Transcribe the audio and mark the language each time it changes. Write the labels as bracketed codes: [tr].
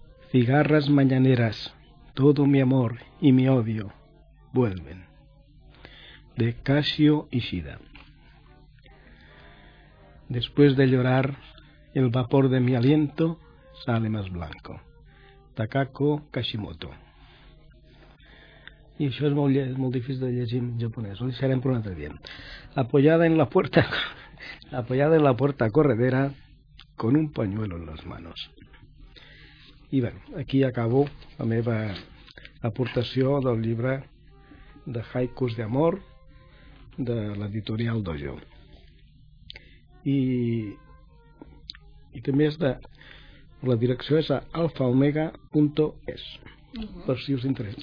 [es] Cigarras mañaneras, todo mi amor y mi odio vuelven. De Kashio Ishida. Después de llorar, el vapor de mi aliento sale más blanco. Takako Kashimoto. [ca] I això és molt, molt difícil de llegir en japonès. Ho deixarem per un altre dia. [es] Apoyada en la puerta... Apoyada en la puerta corredera con un pañuelo en las manos. [ca] I bé, aquí acabo la meva aportació del llibre de Haikus d'Amor de l'editorial Dojo. I també és de... La direcció és a alfaomega.es. Per si us interessa.